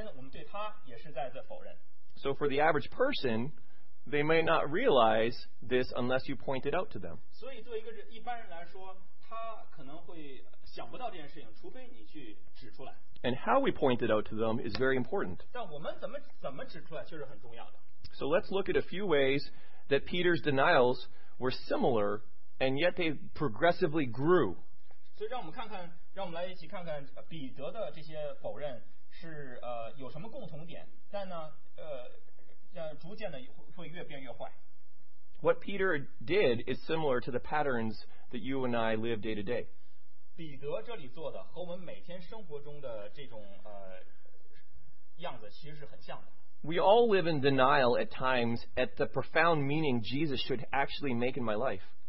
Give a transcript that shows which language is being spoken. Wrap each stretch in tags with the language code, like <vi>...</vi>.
<zh>我们生活在对否认是一件很危险的事，这件事的本身，我们对它也是在否认。</zh> <en>So for the average person, they may not realize this unless you point it out to them.</en> <zh>所以对一个一般人来说，他。他可能会想不到这件事情，除非你去指出来。</zh> <en>And how we point it out to them is very important.</en> <zh>但我们怎么指出来确实很重要的。</zh> <en>So let's look at a few ways that Peter's denials were similar, and yet they progressively grew.</en> <zh>所以让我们看看，让我们来一起看看彼得的这些否认是有什么共同点，但呢逐渐的会越变越坏。</zh> <en>What Peter did is similar to the patterns that you and I live day to day.</en> <zh>彼得这里做的和我们每天生活中的这种样子其实是很像的。</zh> <en>We all live in denial at times at the profound meaning Jesus should actually make in my life.</en>